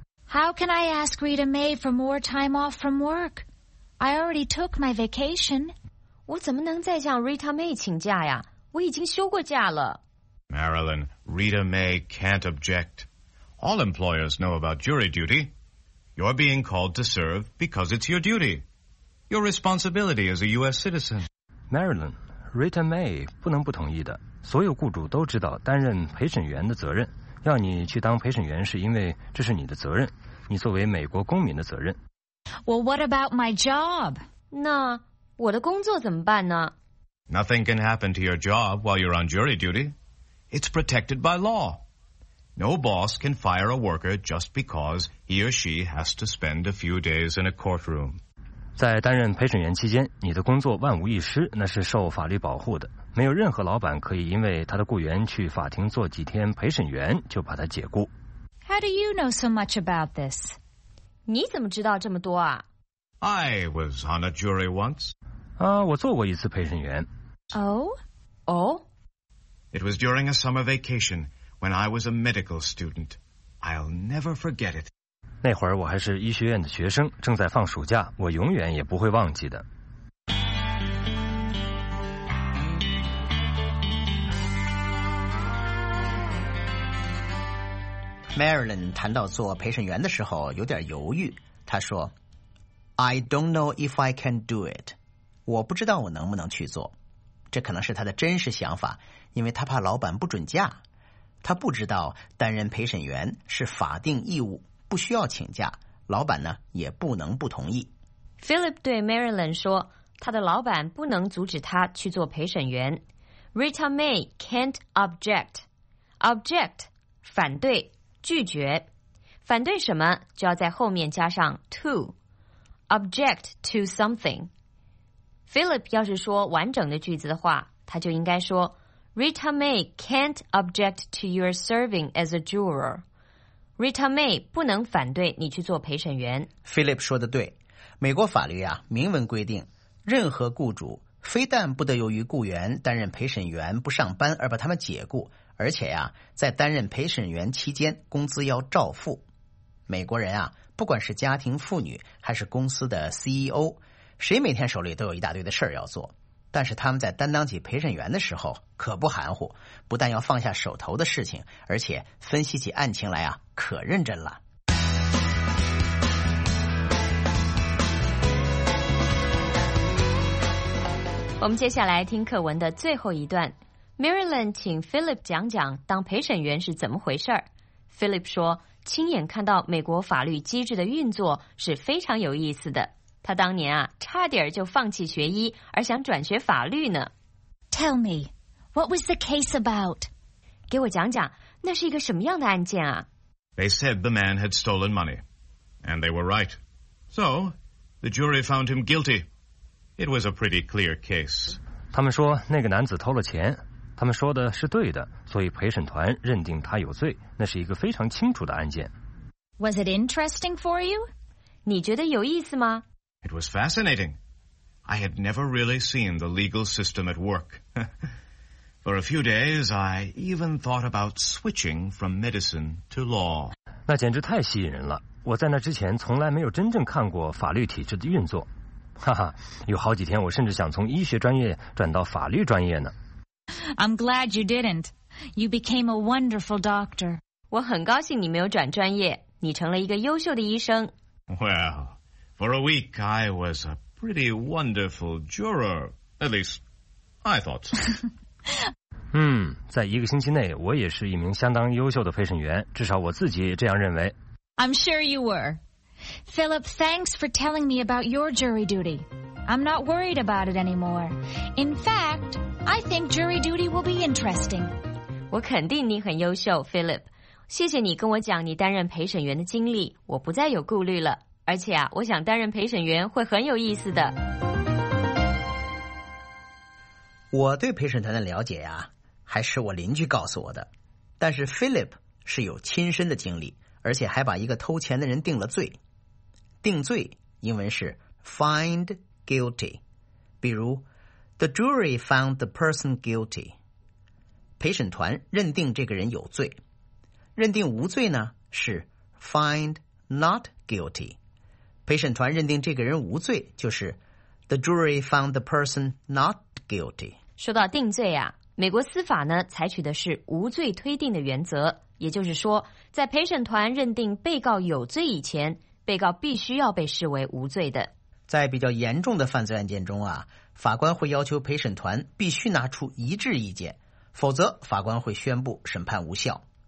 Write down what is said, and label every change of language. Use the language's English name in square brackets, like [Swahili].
[English] How can I ask Rita Mae for more time off from work? I already took my vacation. [Chinese] 我怎么能再向 Rita Mae 请假呀？我已经休过假了。 [English] Marilyn, Rita Mae can't object. All employers know about jury duty. You're being called to serve because it's your duty. Your responsibility as a U.S. citizen. [Chinese] Marilyn, Rita Mae 不能不同意的。所有雇主都知道担任陪审员的责任。要你去当陪审员是因为这是你的责任，你作为美国公民的责任。 [English] Well, what about my job? [Chinese] 那我的工作怎么办呢？ [English] Nothing can happen to your job while you're on jury duty. It's protected by law. No boss can fire a worker just because he or she has to spend a few days in a courtroom. [Chinese] 在担任陪审员期间，你的工作万无一失，那是受法律保护的。没有任何老板可以因为他的雇员去法庭做几天陪审员就把他解雇。 [English] How do you know so much about this? [Chinese] 你怎么知道这么多啊？ [English] I was on a jury once. [Chinese] 啊，我做过一次陪审员。 [English] Oh? It was during a summer vacation when I was a medical student. I'll never forget it. [Chinese] 那会儿我还是医学院的学生，正在放暑假，我永远也不会忘记的。 Marilyn 谈到做陪审员的时候有点犹豫，他说 [English] I don't know if I can do it. [Chinese] 我不知道我能不能去做。这可能是他的真实想法，因为他怕老板不准假。他不知道担任陪审员是法定义务，不需要请假，老板呢也不能不同意。 Philip 对 Marilyn 说，他的老板不能阻止他去做陪审员。 [English] Rita May can't object. Object, [Chinese] 反对，拒绝。反对什么就要在后面加上 to. [English] Object to something. [Chinese] Philip 要是说完整的句子的话，他就应该说 [English] Rita May can't object to your serving as a juror. [Chinese] Rita May 不能反对你去做陪审员。 Philip 说的对。美国法律啊，明文规定，任何雇主非但不得由于雇员担任陪审员不上班而把他们解雇，而且呀，在担任陪审员期间，工资要照付。美国人啊，不管是家庭妇女还是公司的 CEO， 谁每天手里都有一大堆的事儿要做，但是他们在担当起陪审员的时候可不含糊，不但要放下手头的事情，而且分析起案情来啊，可认真了。我们接下来听课文的最后一段。Marilyn 请 Philip 讲讲当陪审员是怎么回事。 Philip 说，亲眼看到美国法律机制的运作是非常有意思的。他当年啊，差点就放弃学医，而想转学法律呢。 [English] Tell me, what was the case about? [Chinese] 给我讲讲，那是一个什么样的案件啊？ [English] They said the man had stolen money, and they were right. So, the jury found him guilty. It was a pretty clear case. [Chinese] 他们说那个男子偷了钱，他们说的是对的，所以陪审团认定他有罪，那是一个非常清楚的案件。 [English] Was it interesting for you? [Chinese] 你觉得有意思吗？ [English] It was fascinating. I had never really seen the legal system at work. For a few days, I even thought about switching from medicine to law. [Chinese] 那简直太吸引人了，我在那之前从来没有真正看过法律体制的运作。哈哈，有好几天我甚至想从医学专业转到法律专业呢。 [English] I'm glad you didn't. You became a wonderful doctor. [Chinese] 我很高兴你没有转专业，你成了一个优秀的医生。 [English] Well, for a week I was a pretty wonderful juror. At least, I thought so. [Chinese] 在一个星期内我也是一名相当优秀的陪审员，至少我自己这样认为。 [English] I'm sure you were. Philip, thanks for telling me about your jury duty. I'm not worried about it anymore. In fact, I think jury duty will be interesting. [Chinese] 我肯定你很优秀 ,Philip. 谢谢你跟我讲你担任陪审员的经历，我不再有顾虑了。而且啊，我想担任陪审员会很有意思的。我对陪审团的了解呀，还是我邻居告诉我的。但是 Philip 是有亲身的经历，而且还把一个偷钱的人定了罪。定罪英文是 [English] find guilty， [Chinese] 比如 [English] the jury found the person guilty， [Chinese] 陪审团认定这个人有罪。认定无罪呢是 [English] find not guilty， [Chinese] 陪审团认定这个人无罪就是 [English] the jury found the person not guilty。 [Chinese] 说到定罪啊，美国司法呢采取的是无罪推定的原则，也就是说在陪审团认定被告有罪以前，被告必须要被视为无罪的。在比较严重的犯罪案件中啊，法官会要求陪审团必须拿出一致意见，否则法官会宣布审判无效。